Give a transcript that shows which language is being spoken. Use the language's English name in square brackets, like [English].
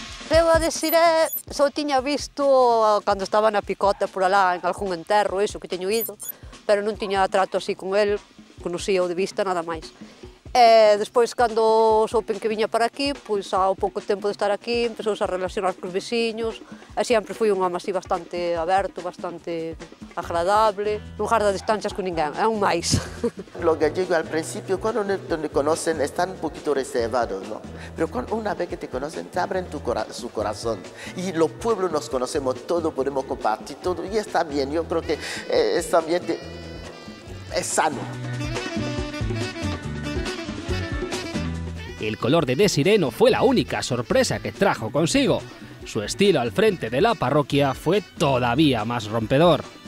[Galician] Eu a Desiré só tiña visto cando estaba na picota por alá, en algún enterro, iso que teño ido, pero non tiña trato así con el, conocía o de vista, nada máis. E despois, cando soupen que viña para aquí, pois ao pouco tempo de estar aquí, empezou a relacionar cos veciños, e sempre foi un home así bastante aberto, bastante agradable, non guarda distancias con ninguén, é un máis. [Spanish] Los gallegos al principio, cando te conocen, están un poquito reservados, ¿no? Pero [Galician] unha vez [Spanish] que te conocen, te abren su corazón. E los pueblos nos conocemos todo, podemos compartir todo, e está bien, yo creo que este ambiente es sano. El color de Desiré no fue la única sorpresa que trajo consigo. Su estilo al frente de la parroquia fue todavía más rompedor.